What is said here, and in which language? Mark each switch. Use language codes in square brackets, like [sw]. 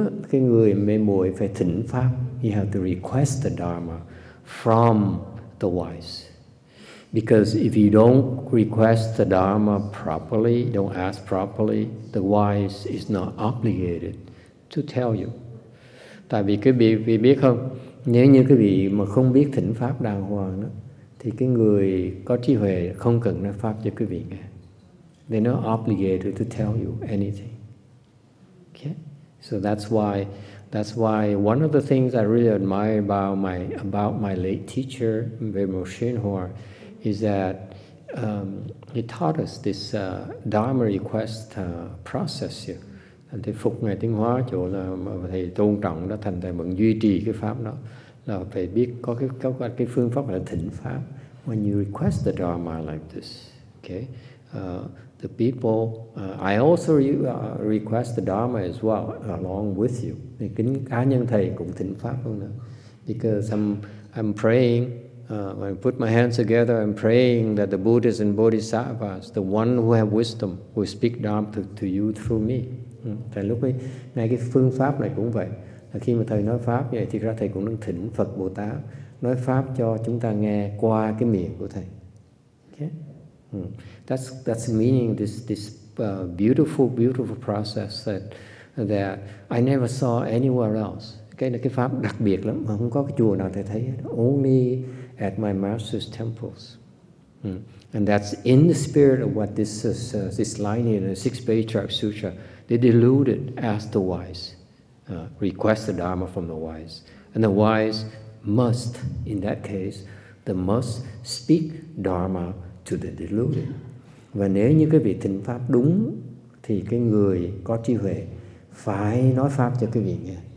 [vi] Cái người mê muội phải thỉnh pháp. [en] You have to request the Dharma from the wise. Because if you don't request the Dharma properly, don't ask properly, the wise is not obligated to tell you. [vi] Tại vì quý vị, vị biết không, nếu như quý vị mà không biết thỉnh pháp đàng hoàng đó, thì cái người có trí huệ không cần nói pháp cho quý vị nghe. [en] They're not obligated to tell you anything. Okay? So that's why one of the things I really admire about my late teacher, Venerable Xinhua, is that he taught us this Dharma request process here. [vi] And thì phục ngài Tiếng Hóa chỗ là thầy tôn trọng đó, thành thầy vẫn duy trì cái pháp đó, là phải biết có cái phương pháp là thỉnh pháp. [en] When you request the Dharma like this, okay, the people, I also request the Dharma as well along with you. [vi] Thì kính cá nhân thầy cũng thỉnh pháp luôn đó. [en] Because I'm praying. When I put my hands together, I'm praying that the Buddhas and Bodhisattvas, the one who have wisdom, will speak Dharma to you through me. [vi] Tại lúc ấy, ngay cái phương pháp này cũng vậy. Và khi mà thầy nói pháp vậy thì ra thầy cũng đang thỉnh Phật Bồ Tát nói pháp cho chúng ta nghe qua cái miệng của thầy. [en] Okay. That's the meaning of this beautiful process that I never saw anywhere else. [vi] Cái là cái pháp đặc biệt lắm mà không có cái chùa nào thầy thấy hết. [en] Only at my master's temples. And that's in the spirit of what this is, this line in the Six Patriarch Sutra, the deluded ask the wise, request the Dharma from the wise. And the wise must, in that case, the must speak Dharma to the deluded. [vi] Và nếu như cái vị thỉnh pháp đúng, thì cái người có trí huệ phải nói pháp cho cái vị nghe.